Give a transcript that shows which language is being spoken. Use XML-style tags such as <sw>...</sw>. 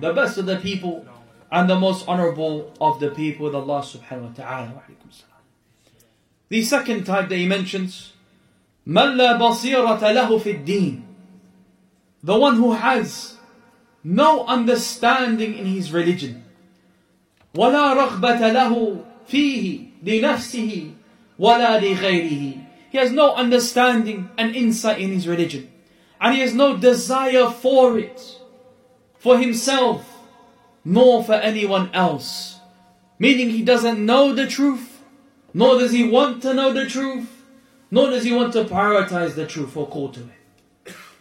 <en>The best of the people and the most honorable of the people with Allah subhanahu wa ta'ala. The second type that he mentions,</en> <ar>من لا بصيرة له في الدين.</ar> <en>The one who has no understanding in his religion.</en> <ar>ولا رغبة له فيه لنفسه ولا لغيره.</ar> <en>He has no understanding and insight in his religion. And he has no desire for it, for himself, nor for anyone else. Meaning he doesn't know the truth, nor does he want to know the truth, nor does he want to prioritize the truth or call to it.</en>